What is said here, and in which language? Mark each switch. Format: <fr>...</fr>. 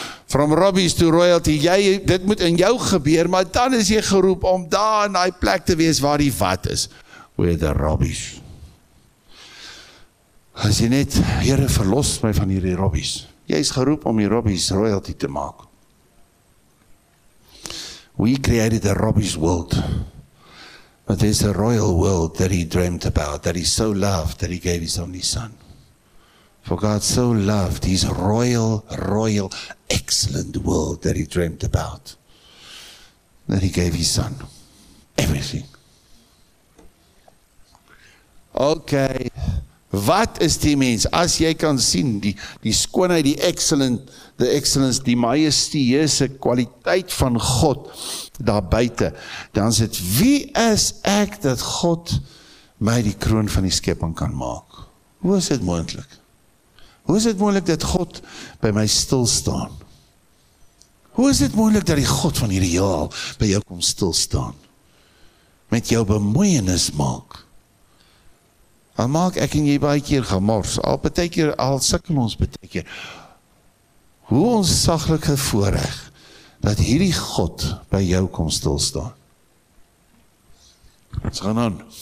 <en>From rubbish to royalty,</en> <af>jy, dit moet in jou gebeur, maar dan is jy geroep om daar in die plek te wees waar die wat is.</af> <en>Where the rubbish.</en> <af>As jy net, Here verlos my van hierdie rubbish. Jy is geroep om die rubbish royalty te maak.</af> <en>We created a rubbish world. But there's a royal world that he dreamt about, that he so loved, that he gave his only son. For God so loved his royal, royal, excellent world that he dreamt about, that he gave his son everything.</en> <af>Okay, wat is die mens? As jy kan sien, die skoonheid, die excellent, the excellence, die majestueuse kwaliteit van God daar buite, dan sê, wie is ek dat God my die kroon van die skepping kan maak? Hoe is dit moontlik? Hoe is dit moontlik dat God by my stilstaan? Hoe is dit moontlik dat die God van hierdie heelal by jou kom stilstaan? Met jou bemoeienis maak? Al maak ek en jy baie keer gemors, al baie keer, al sukkel ons baie keer. Hoe ontzaglik voorreg dat hierdie God by jou kom stilstaan. Ons gaan aan.</af>